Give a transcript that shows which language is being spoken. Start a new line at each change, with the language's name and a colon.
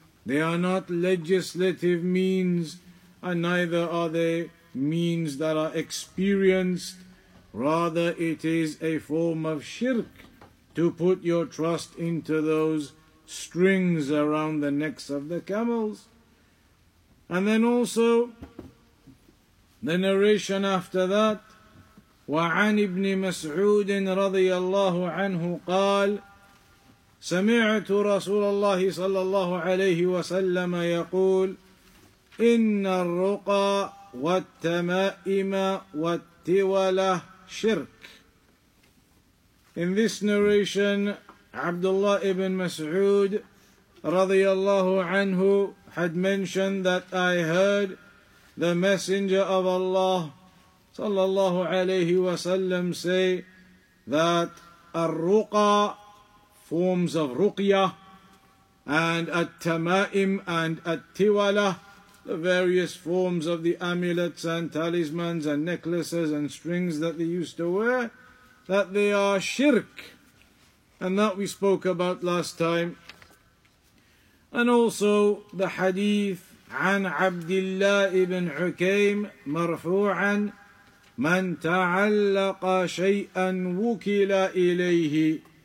English: They are not legislative means, and neither are they means that are experienced. Rather, it is a form of shirk to put your trust into those strings around the necks of the camels. And then also, the narration after that,
Arabic: وعن ابن مسعود رضي الله عنه قال سمعت رسول الله صلى الله عليه وسلم يقول إن الرقى والتمائم والتولة شرك.
English: In this narration, Abdullah ibn Mas'ud
Arabic: رضي الله عنه
English: had mentioned that I heard the Messenger of Allah
Arabic: صلى الله عليه وسلم
English: say that الرقى, forms of ruqya, and at-tamaim and at-tiwala, the various forms of the amulets and talismans and necklaces and strings that they used to wear, that they are shirk. And that we spoke about last time. And also the hadith,
Arabic: عن عبد الله بن حكيم مرفوعا من تعلق شيئا وكل إليه.